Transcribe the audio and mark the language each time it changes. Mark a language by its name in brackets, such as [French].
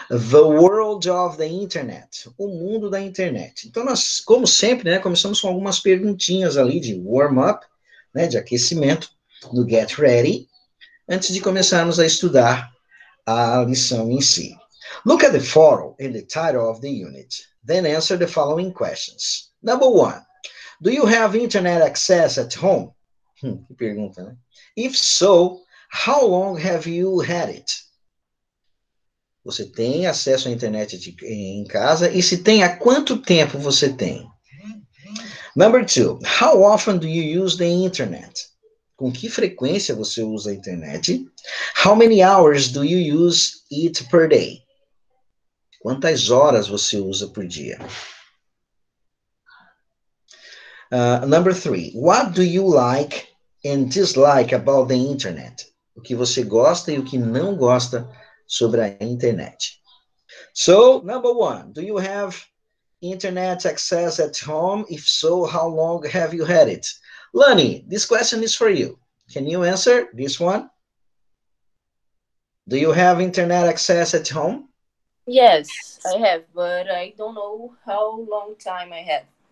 [English] The World of the Internet. [Portuguese] O mundo da internet. Então, nós, como sempre, né? Começamos com algumas perguntinhas ali de warm-up, né? De aquecimento, do Get Ready, antes de começarmos a estudar a lição em si. [English] Look at the forum in the title of the unit. Then answer the following questions. Number one, do you have internet access at home? [Portuguese] Que pergunta, né? [English] If so, how long have you had it? [Portuguese] Você tem acesso à internet em casa? E se tem, há quanto tempo você tem? [English] Number two, how often do you use the internet? [Portuguese] Com que frequência você usa a internet? [English] How many hours do you use it per day? [Portuguese] Quantas horas você usa por dia? [English] Number three. What do you like and dislike about the internet? [Portuguese] O que você gosta e o que não gosta sobre a internet. [English] So, number one. Do you have internet access at home? If so, how long have you had it? Lani, this question is for you. Can you answer this one? Do you have internet access at home? Yes, I have, but I don't know how long time I have.